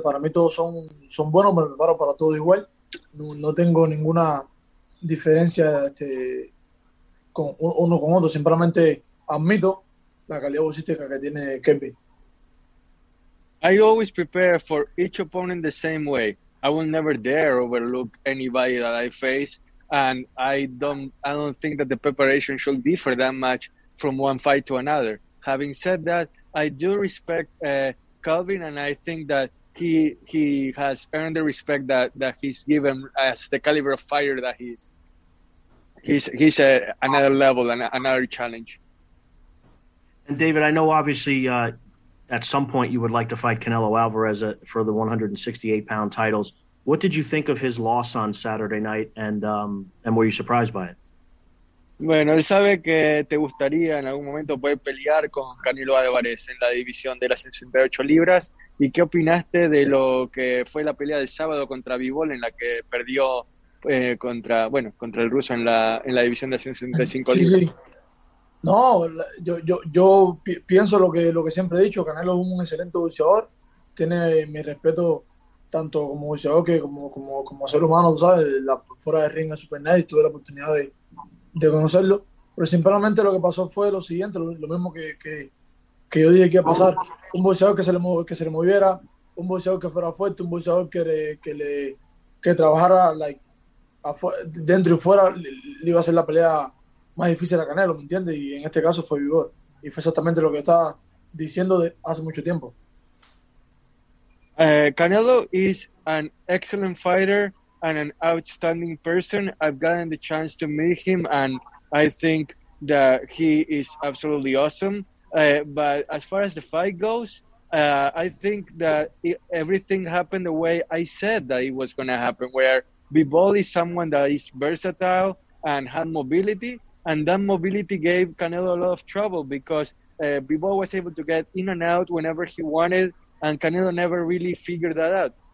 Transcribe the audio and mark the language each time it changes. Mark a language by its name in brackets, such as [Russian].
[Spanish] Para mí todos son buenos, me preparo para todos igual. No tengo ninguna diferencia con uno con otro. Simplemente admito la calidad boxística que tiene Kepi. [English] I always prepare for each opponent the same way. I will never dare overlook anybody that I face. And I don't think that the preparation should differ that much from one fight to another. Having said that, I do respect Calvin, and I think that he has earned the respect that he's given as the caliber of fighter that he is. He's another level and another challenge. And David, I know obviously at some point you would like to fight Canelo Alvarez for the 168-pound titles. What did you think of his loss on Saturday night, and were you surprised by it? [Spanish] Bueno, él sabe que te gustaría en algún momento poder pelear con Canelo Álvarez en la división de las 168 libras. ¿Y qué opinaste de lo que fue la pelea del sábado contra Bivol, en la que perdió contra el ruso en la división de las 165 libras? Sí. No, yo pienso lo que siempre he dicho. Canelo es un excelente boxeador. Tiene mi respeto tanto como boxeador que como ser humano, tú sabes, fuera de ring en Super Night, tuve la oportunidad de conocerlo. Pero sinceramente lo que pasó fue lo siguiente, lo mismo que yo dije que iba a pasar. Un boxeador que se le moviera, un boxeador que fuera fuerte, un boxeador que trabajara dentro y fuera, le iba a hacer la pelea más difícil a Canelo, ¿me entiendes? Y en este caso fue Vigor. Y fue exactamente lo que estaba diciendo de hace mucho tiempo. [English] Canelo is an excellent fighter and an outstanding person. I've gotten the chance to meet him, and I think that he is absolutely awesome. But as far as the fight goes, I think that everything happened the way I said that it was going to happen, where Bivol is someone that is versatile and had mobility, and that mobility gave Canelo a lot of trouble because Bivol was able to get in and out whenever he wanted, and Canelo never really figured that out.